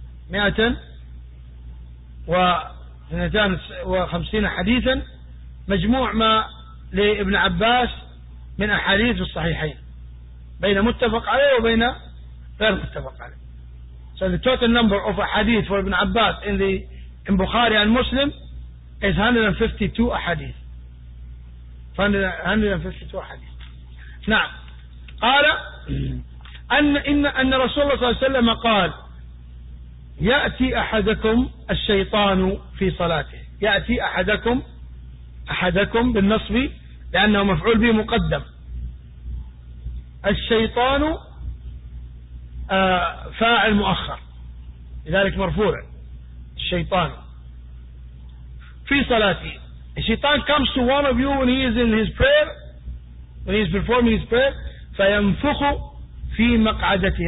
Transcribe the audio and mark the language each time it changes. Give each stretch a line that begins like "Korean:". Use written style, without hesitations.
Arabic: 152 حديثا مجموع ما لابن عباس من أحاديث الصحيحين بين متفق عليه وبين غير متفق عليه.
English: So the total number of hadith for Ibn Abbas in Bukhari and Muslim is 152 hadith. 152 hadith. نعم.
Arabic: قال أن رسول الله صلى الله عليه وسلم قال يأتي أحدكم الشيطان في صلاته. يأتي أحدكم بالنصب لأنه مفعول به مقدم. الشيطان فاعل مؤخر لذلك مرفوع الشيطان في صلاتي.
English: الشيطان comes to one of you when he is in his prayer, when he is performing his prayer,
Arabic: فينفخ في مقعدته.